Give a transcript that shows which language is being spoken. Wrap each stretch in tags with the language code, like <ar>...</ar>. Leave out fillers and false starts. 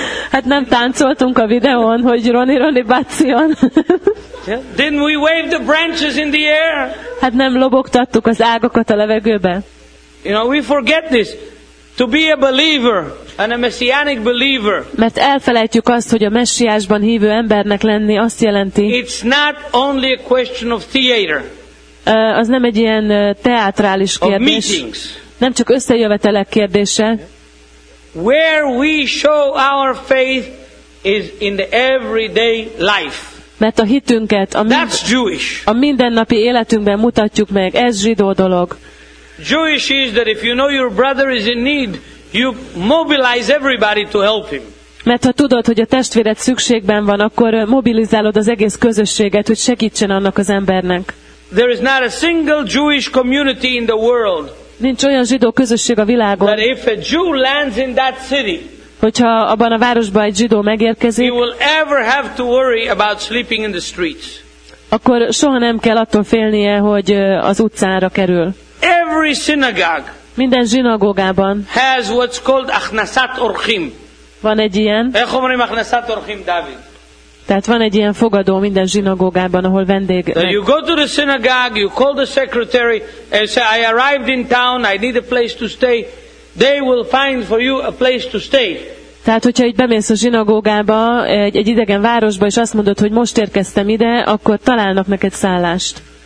<hu>Hát nem táncoltunk a videón, hogy</hu> <he>Roni, Roni, Bacion.</he> <en>Didn't we wave the branches in the air?</en> <hu>Hát nem lobogtattuk az ágakat a levegőbe.</hu> <en>You know, we forget this. To be a believer, and a messianic believer.</en> <hu>Mert elfelejtjük azt, hogy a messiásban hívő embernek lenni azt jelenti.</hu> <en>It's not only a question of theater.</en> <hu>Az nem egy ilyen teátrális kérdés.</hu> <en>Of meetings.</en> <hu>Nem csak összejövetelek kérdése.</hu> <en>Where we show our faith is in the everyday life.</en> <hu>Mert a hitünket a mindennapi életünkben mutatjuk meg. Ez zsidó dolog.</hu> <en>Jewish is that if you know your brother is in need, you mobilize everybody to help him.</en> <hu>Mert ha tudod, hogy a testvéred szükségben van, akkor mobilizálod az egész közösséget, hogy segítsen annak az embernek.</hu> <en>There is not a single Jewish community in the world.</en> <hu>Nincs olyan zsidó közösség a világon.</hu> <en>That if a Jew lands in that city,</en> <hu>hogyha abban a városban egy zsidó megérkezik,</hu> <en>he will ever have to worry about sleeping in the streets.</en> <hu>Akkor soha nem kell attól félnie, hogy az utcára kerül.</hu> <en>Every synagogue,</en> <hu>minden zsinagógában,</hu> <en>has what's called achnasat orchim.</en> <hu>Van egy ilyen.</hu> <he>Ech omrim achnasat orchim David.</he> <hu>Tehát van egy ilyen fogadó minden zsinagógában, ahol vendég.</hu> <en>So you go to the synagogue, you call the secretary and say, I arrived in town, I need a place to stay. They will find for you a place to stay.</en> <hu>Tehát, hogyha így bemész a zsinagógába, egy idegen városba, és azt mondod, hogy most érkeztem ide, akkor találnak neked szállást.</hu>